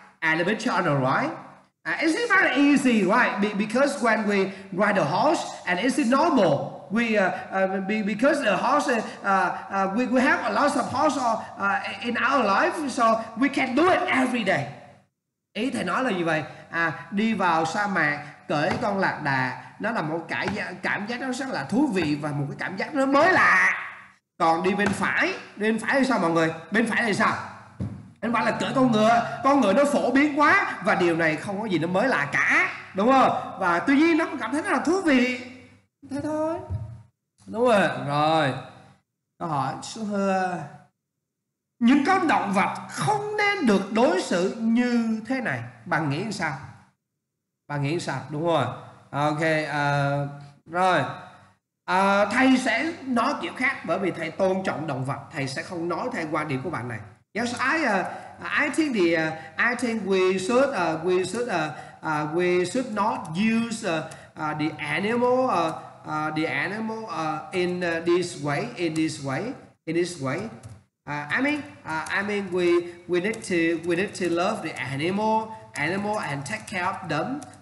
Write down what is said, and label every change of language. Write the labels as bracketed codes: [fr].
[en] And the picture on the right, is it very easy, right? Because when we ride a horse, and is it normal? Because the horse, we have a lot of horse in our life, so we can do it every day. [vi] Ý thầy nói là như vậy, đi vào sa mạc, cởi con lạc đà, nó là một cảm giác nó rất là thú vị và một cái cảm giác nó mới lạ. Còn đi bên phải, bên phải là sao mọi người? Bên phải là sao? Anh bảo là cưỡi con ngựa nó phổ biến quá và điều này không có gì nó mới lạ cả, đúng không? Và tuy nhiên nó cảm thấy rất là thú vị, thế thôi, đúng rồi. Rồi câu hỏi số 2, những con động vật không nên được đối xử như thế này, bạn nghĩ sao? Bạn nghĩ sao? Đúng rồi. Ok, rồi. Thầy sẽ nói kiểu khác, bởi vì thầy tôn trọng động vật, thầy sẽ không nói theo quan điểm của bạn này. [en] Yes, I think we should not use the animal in this way. I mean we need to love the animal and take care of them.